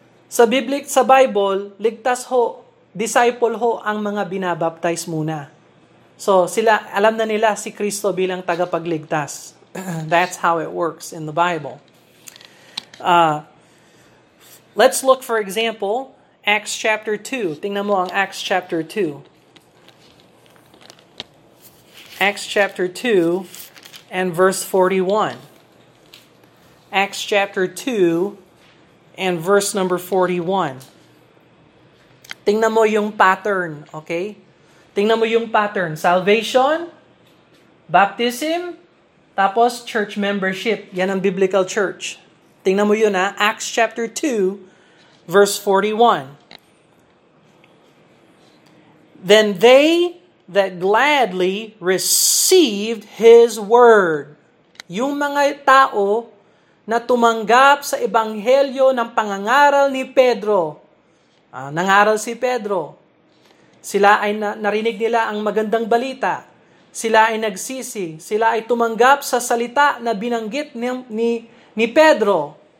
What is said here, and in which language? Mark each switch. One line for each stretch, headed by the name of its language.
Filipino: Sa Bible, ligtas ho, disciple ho ang mga binabaptize muna. So sila, alam na nila si Kristo bilang tagapagligtas.
English: That's how it works in the Bible. Let's look, for example, Acts chapter 2.
Filipino: Tingnan mo ang Acts chapter 2.
English: Acts chapter 2 and verse 41. Acts chapter 2 and verse number 41.
Filipino: Tingnan mo yung pattern, okay? Tingnan mo yung pattern.
English: Salvation, baptism, tapos church membership.
Filipino: Yan ang biblical church. Tingnan mo yun, ha? Acts chapter 2.
English: Verse 41. Then they that gladly received his word.
Filipino: Yung mga tao na tumanggap sa ebanghelyo ng pangangaral ni Pedro. Nangaral si Pedro. Sila ay narinig nila ang magandang balita. Sila ay nagsisi. Sila ay tumanggap sa salita na binanggit ni Pedro.